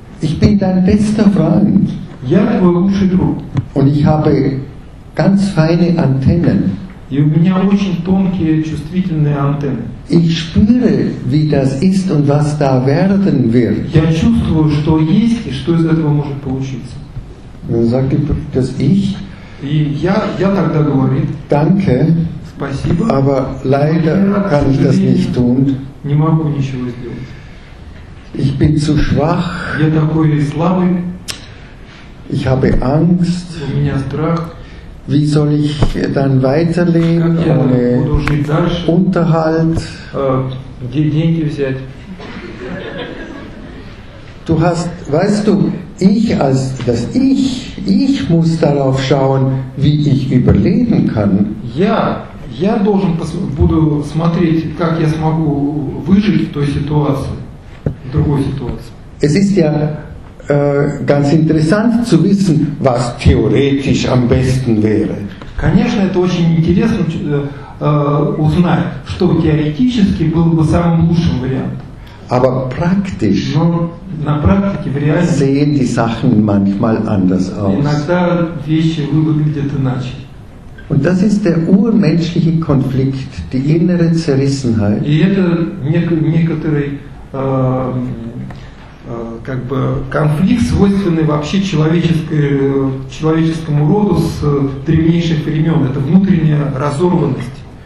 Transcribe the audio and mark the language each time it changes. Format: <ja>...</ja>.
<de>Ich bin dein bester Freund.</de> <ru>Я твой лучший друг.</ru> <de>Und ich habe ganz feine Antennen.</de> <ru>И у меня очень тонкие, чувствительные антенны.</ru> <de>Ich spüre, wie das ist und was da werden wird.</de> <ru>Я чувствую, что есть и что из этого может получиться.</ru> <de>Dann sag ich, dass ich.</de> <ru>И я тогда говорю.</ru> <de>Danke.</de> <ru>Спасибо.</ru> <de>Aber leider kann ich das nicht tun.</de> <ru>Не могу ничего сделать.</ru> <de>Ich bin zu schwach.</de> <ru>Я такой слабый.</ru> <de>Ich habe Angst.</de> <ru>У меня страх.</ru> <de>Wie soll ich dann weiterleben ohne Unterhalt?</de> <ru>Деньги взять.</ru> <de>Du hast, weißt du, ich als das Ich, ich muss darauf schauen, wie ich überleben kann.</de> <ru>Я должен буду смотреть, как я смогу выжить в той ситуации, в другой ситуации.</ru> <de>Es ist ja ganz interessant zu wissen, was theoretisch am besten wäre.</de> <ru>Конечно, это очень интересно узнать, что теоретически было бы самым лучшим вариантом.</ru> <de>Aber praktisch</de> <ru>на практике, в реальности,</ru> <de>sehen die Sachen manchmal anders aus.</de> <ru>Иногда вещи выглядят иначе.</ru> <de>Und das ist der urmenschliche Konflikt, die innere Zerrissenheit.</de> <ru>И это некоторый как бы конфликт, свойственный вообще человеческому роду с древнейших времен. Это внутренняя разорванность.</ru>